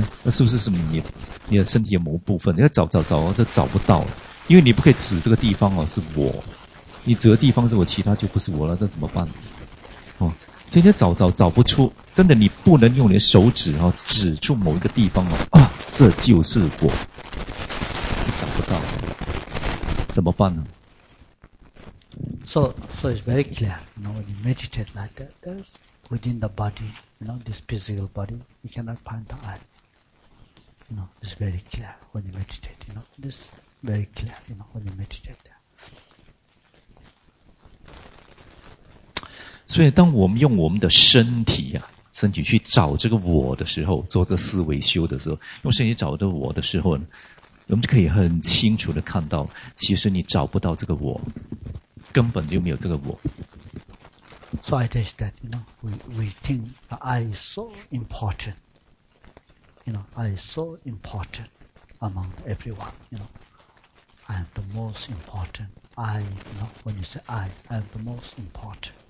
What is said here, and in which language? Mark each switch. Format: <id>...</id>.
<zh>是不是你的身体的某部分？你要找，就找不到了，因为你不可以指这个地方哦，是我。你指的地方是我，其他就不是我了，那怎么办？哦，所以找不出，真的你不能用你的手指哦指出某一个地方哦啊，这就是我，你找不到，怎么办呢？</zh> <en>So it's very clear, you know, when you meditate like that, there's within the body, you know, this physical body, you cannot find the eye. You know, it's very clear when you meditate, you know, this very clear, you know, when you meditate there.</en> <zh>所以当我们用我们的身体啊，身体去找这个我的时候，做这个思维修的时候，用身体找这个我的时候呢，我们就可以很清楚的看到，其实你找不到这个我，根本就没有这个我。</zh> <en>So I think that you know, we think that I is so important. You know, I is so important among everyone. You know, I am the most important. I, you know, when you say I am the most important.</en>